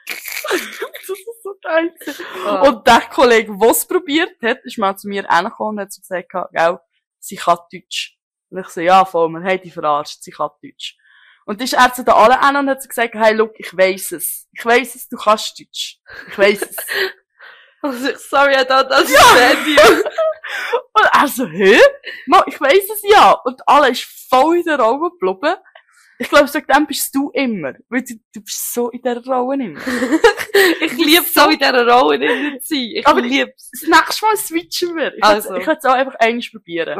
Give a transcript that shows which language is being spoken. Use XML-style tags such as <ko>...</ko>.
<de>Das ist so geil. Oh. Und der Kollege, der es probiert hat, ist mal zu mir reingekommen und hat so gesagt, gell, sie kann Deutsch. Und ich so, ja, voll, man hat dich verarscht, sie kann Deutsch. Und dann ist er zu den allen an und hat so gesagt,</de> <en>hey, look,</en> <de>ich weiss es. Ich weiss es, du kannst Deutsch. Ich weiss es. Also,</de> <en>sorry, I don't understand you.</en> <de>Und er so, hä? Mann, ich weiss es ja. Und alle ist voll in der Rolle geblieben. Ich glaube, seit dem bist du immer. Weil du bist so in dieser Rolle immer. Ich liebe so in dieser Rolle immer zu sein. Aber lieb's. Das nächste Mal switchen wir. Ich könnte es auch einfach eins probieren.</de>